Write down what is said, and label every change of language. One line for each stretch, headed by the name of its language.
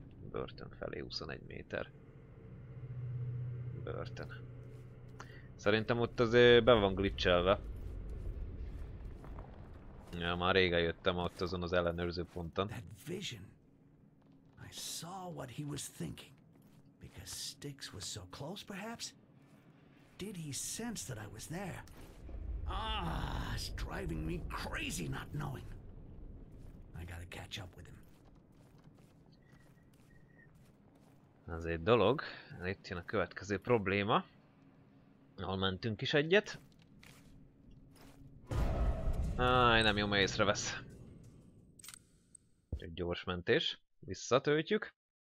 Hungarian: Börtön felé 21 méter. Börtön. Szerintem ott azért be van glitchelve. Ja, már régen jöttem ott azon az ellenőrző ponton.
English: That vision. I saw what he was thinking. Because Styx was so close perhaps. Did he sense that I was there? Ah, it's driving me crazy not knowing. I gotta catch up with him.
Hungarian: Ez egy dolog, itt jön a következő probléma. Hol mentünk is egyet. Áj, nem jó, mert észrevesz. Egy gyors mentés, visszatöltjük.